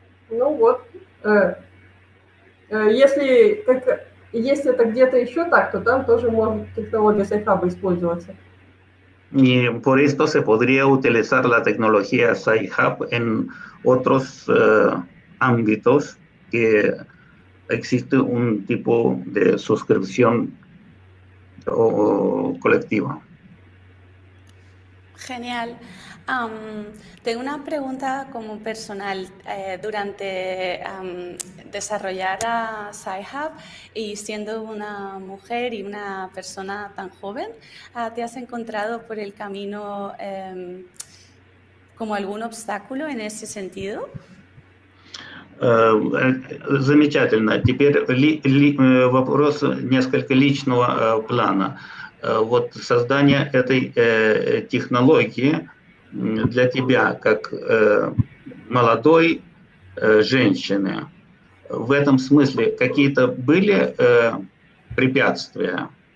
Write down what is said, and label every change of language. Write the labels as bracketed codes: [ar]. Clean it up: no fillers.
[ru] Ну вот, если это где-то еще так, то там тоже может технология SciHub использоваться. [es] Y por esto se podría utilizar la tecnología SciHub en otros ámbitos que existe un tipo de suscripción o colectiva. Genial. Tengo una pregunta como personal. Durante desarrollar a SciHub y siendo una mujer y una persona tan joven, ¿te has encontrado por el camino como algún obstáculo en ese sentido? [ru] Замечательно. Теперь вопрос несколько личного плана. Вот создание этой технологии для тебя, как молодой женщины, в этом смысле какие-то были препятствия.